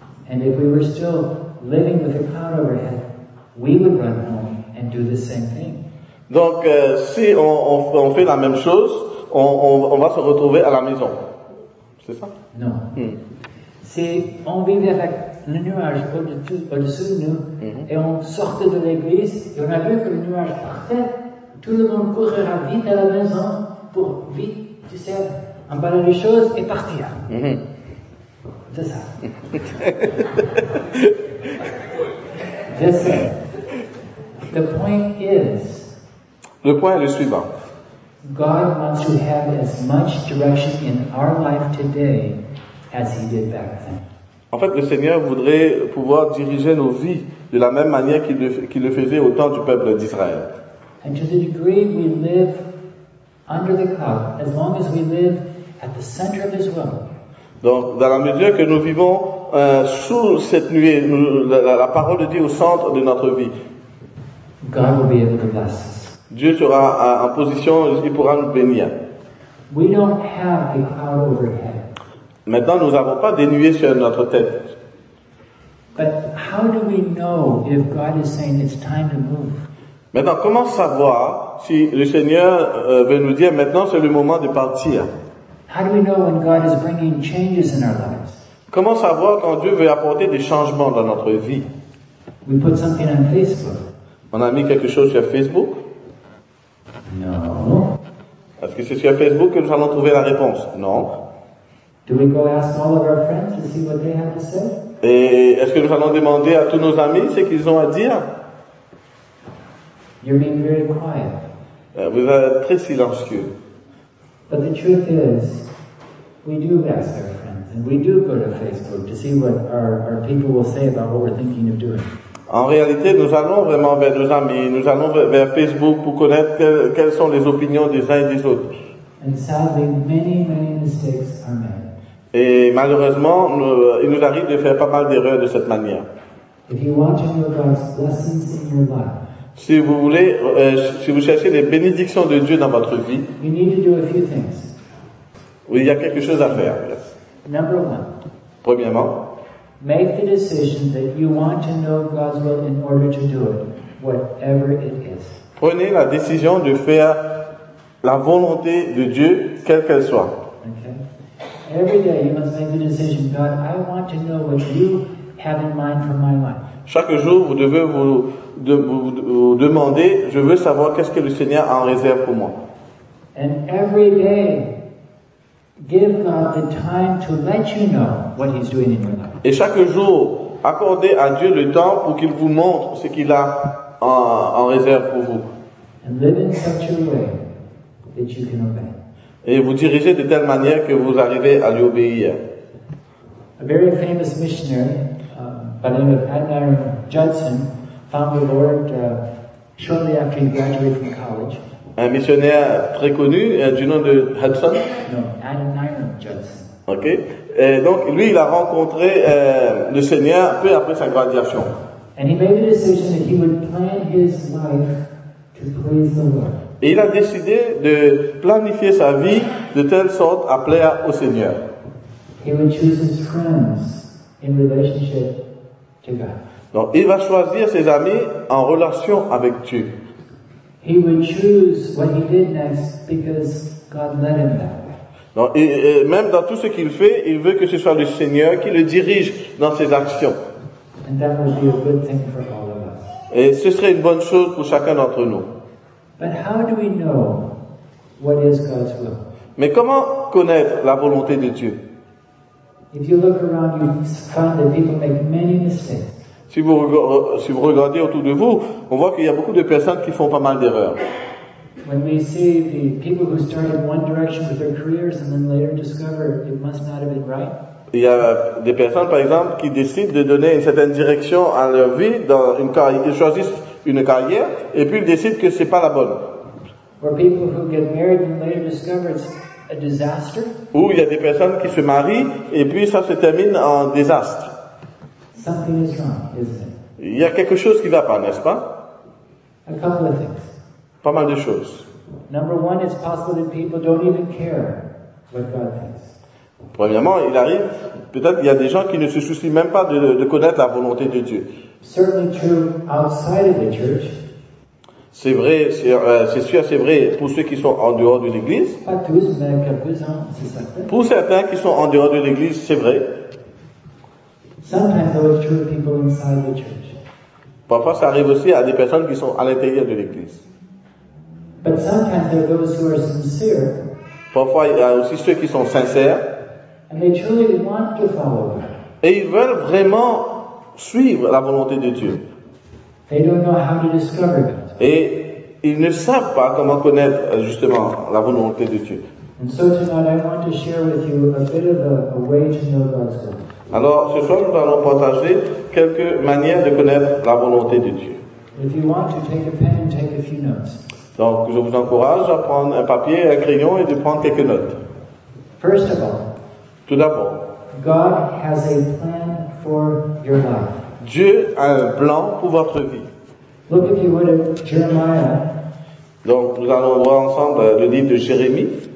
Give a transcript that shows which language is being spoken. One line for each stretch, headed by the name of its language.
English: And if we were still living with a cloud overhead, we would run home and do the same thing.
French: Donc, si on fait la même chose, on va se retrouver à la maison. C'est ça? Non. Si on vivait avec le nuage au-dessus de nous, mm-hmm. et on sortait de l'église, et on a vu que le nuage partait, tout le monde courra vite à la maison pour vite, tu sais, emballer les choses et partir. Mm-hmm. C'est ça.
English: Just say, the point is,
French: le point est le suivant.
English: God wants to have as much direction in our life today as he did back then.
French: En fait, le Seigneur voudrait pouvoir diriger nos vies de la même manière qu'il le faisait au temps du peuple d'Israël.
English: And to the degree we live under the cloud, as long as we live at the center of his will.
French: Donc, dans la mesure que nous vivons sous cette nuée, la parole de Dieu au centre de notre vie,
English: God will be able to bless us.
French: Dieu sera en position, il pourra nous bénir.
English: We don't have the cloud overhead.
French: Maintenant, nous n'avons pas des nuées sur notre tête.
English: But how do we know if God is saying it's time to move?
French: Maintenant, comment savoir si le Seigneur veut nous dire maintenant c'est le moment de partir?
English: How do we know when God is bringing changes in our lives?
French: Comment savoir quand Dieu veut apporter des changements dans notre vie?
English: We put something on Facebook.
French: On a mis quelque chose sur Facebook? Non. Est-ce que c'est sur Facebook que nous allons trouver la réponse? Non.
English: Do we go ask all of our friends to see what they have to say?
French: Et est-ce que nous allons demander à tous nos amis ce qu'ils ont à dire?
English: You're being very quiet.
French: Vous êtes très silencieux.
English: But the truth is, we do ask our friends, and we do go to Facebook to see what our people will say about what we're thinking of doing.
French: En réalité, nous allons vraiment vers nos amis, nous allons vers Facebook pour connaître quelles sont les opinions des uns et des autres.
English: And sadly, many, many mistakes are made.
French: Et malheureusement, il nous arrive de faire pas mal d'erreurs de cette manière.
English: If you want to know God's blessings in your life,
French: si vous voulez, si vous cherchez les bénédictions de Dieu dans votre vie,
English: you need to do a few things.
French: Oui, il y a quelque chose à faire.
English: Number one,
French: premièrement,
English: make the decision that you want to know God's will in order to do it, whatever it is.
French: Prenez la décision de faire la volonté de Dieu, quelle qu'elle soit.
English: Every day you must make the decision, God, I want to know what you have in mind for my life.
French: Chaque jour, vous devez vous demander, je veux savoir qu'est-ce que le Seigneur a en réserve pour moi.
English: And every day, give God the time to let you know what he's doing in your life.
French: Et chaque jour, accordez à Dieu le temps pour qu'il vous montre ce qu'il a en réserve pour vous.
English: And live in such a way that you can obey.
French: Et vous dirigez de telle manière que vous arrivez à lui obéir.
English: A very famous missionary by the name of Adoniram Judson found the Lord shortly after he graduated from college.
French: Un missionnaire très connu du nom de Hudson.
English: No, Adoniram Judson.
French: Ok. Et donc lui, il a rencontré le Seigneur peu après sa graduation.
English: And he made a decision that he would plan his life to praise the Lord.
French: Et il a décidé de planifier sa vie de telle sorte à plaire au Seigneur.
English: He will choose his friends in relationship to God.
French: Donc, il va choisir ses amis en relation avec Dieu.
English: He will choose what he did next because God led him that way.
French: Donc, et même dans tout ce qu'il fait, il veut que ce soit le Seigneur qui le dirige dans ses actions.
English: And that would be a good thing for all of us.
French: Et ce serait une bonne chose pour chacun d'entre nous.
English: But how do we know what is God's will?
French: Mais comment connaître la volonté de Dieu?
English: If you look around, you find that people make many mistakes.
French: Si vous regardez autour de vous, on voit qu'il y a beaucoup de personnes qui font pas mal d'erreurs.
English: When we see the people who start in one direction with their careers and then later discover it must not have been right.
French: Il y a des personnes, par exemple, qui décident de donner une certaine direction à leur vie, dans une carrière, ils choisissent une carrière, et puis ils décident que ce n'est pas la bonne.
English: Or people who get married and later discover it's a disaster.
French: Ou il y a des personnes qui se marient, et puis ça se termine en désastre.
English: Something is wrong, isn't it?
French: Il y a quelque chose qui ne va pas, n'est-ce pas?
English: A couple of things.
French: Pas mal de choses.
English: Number one, it's possible that people don't even care what God thinks.
French: Premièrement, il arrive, peut-être qu'il y a des gens qui ne se soucient même pas de connaître la volonté de Dieu. C'est vrai pour ceux qui sont en dehors de l'Église. Pas tous, mais quelques-uns, c'est certain. Pour certains qui sont en dehors de l'Église, c'est vrai.
English: Sometimes it's true of people inside the church.
French: Parfois, ça arrive aussi à des personnes qui sont à l'intérieur de l'Église.
English: But sometimes there are those who are sincere.
French: Parfois, il y a aussi ceux qui sont sincères.
English: And they truly want to follow God.
French: Et ils veulent vraiment suivre la volonté de Dieu.
English: They don't know how to discover God.
French: Et ils ne savent pas comment connaître justement la volonté de Dieu.
English: And so tonight I want to share with you a bit of a way to know God's will.
French: Alors ce soir nous allons partager quelques manières de connaître la volonté de Dieu.
English: If you want to take a pen and take a few notes.
French: Donc je vous encourage à prendre un papier et un crayon et de prendre quelques notes.
English: First of all,
French: tout d'abord,
English: God has a plan for your life.
French: Dieu a un plan pour votre vie.
English: Look if you would at Jeremiah.
French: Donc nous allons voir ensemble le livre de Jérémie.